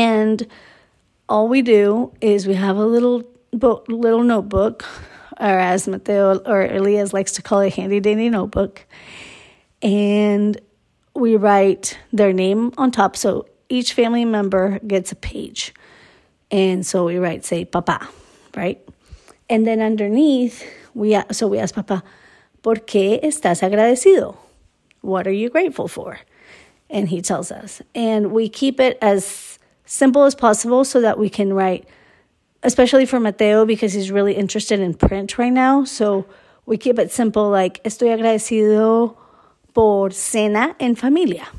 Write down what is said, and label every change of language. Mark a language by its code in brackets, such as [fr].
[en] And all we do is we have a little notebook, or as Mateo or Elias likes to call it, handy-dandy notebook. And we write their name on top. So each family member gets a page. And so we write, say, Papa, right? And then underneath, we ask Papa, [es] ¿Por qué estás agradecido? [en] What are you grateful for? And he tells us. And we keep it as simple as possible so that we can write, especially for Mateo, because he's really interested in print right now. So we keep it simple, like, [es] estoy agradecido por cena en familia.